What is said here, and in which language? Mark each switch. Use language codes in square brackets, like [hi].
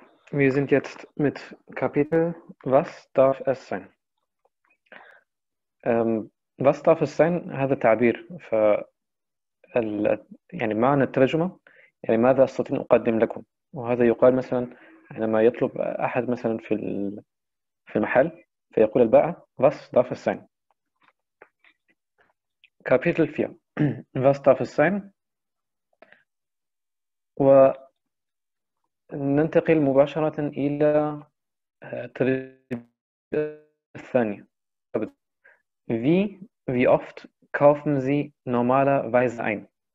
[de] Wir sind jetzt mit Kapitel Was darf es sein? Was darf es sein? [ar] هذا تعبير ف يعني معنى الترجمة يعني ماذا أستطيع أن أقدم لكم؟ وهذا يقال مثلا عندما يطلب أحد مثلا في المحل فيقول البائع Was darf es sein? [de] Kapitel 4 Was darf es sein? [ar] و ننتقل مباشرة إلى الترجمة الثانية. [de] Wie oft kaufen Sie normalerweise ein?